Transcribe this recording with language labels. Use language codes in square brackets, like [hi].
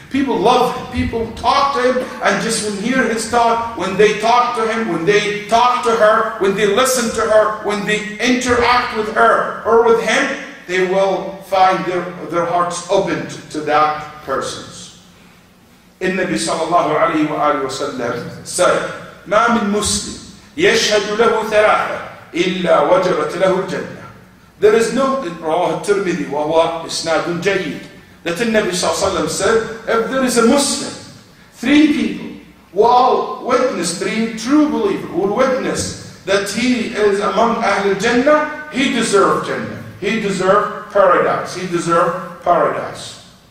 [en] People love him, people talk to him, and just when hear his talk, when they talk to him, when they talk to her, when they listen to her, when they interact with her or with him, they will find their hearts opened to that person. In Nabi sallallahu alayhi wa alayhi wa sallam said, [ar] ما من مسلم يشهد له ثلاثة إلا وجبت له الجنة. [en] There is no [ar] رواه الترمذي وهو إسناد جيد [en] that the Nabi [ar] صلى الله عليه وسلم [en] said, if there is a Muslim, three people will witness, three true believers will witness that he is among Ahlul Jannah, he deserved Jannah, he deserved paradise, he deserved paradise.